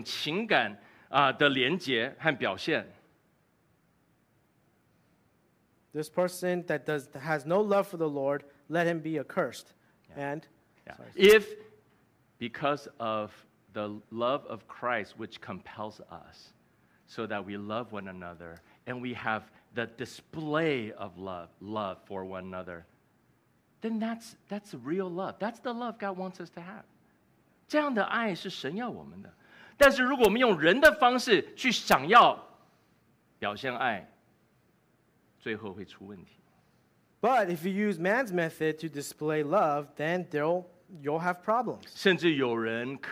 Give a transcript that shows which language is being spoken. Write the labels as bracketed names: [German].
[Chinese] 如果因为神在我们的心中的工作，然后我们在主的爱当中，我们有彼此的这种情感的连结和表现。 [English] This person that has no love for the Lord, let him be accursed. Yeah. And yeah. If because of the love of Christ, which compels us so that we love one another and we have the display of love for one another, then that's real love. That's the love God wants us to have. [Chinese] 这样的爱是神要我们的。但是如果我们用人的方式去想要表现爱，最后会出问题。 [English] But if you use man's method to display love, then you'll have problems.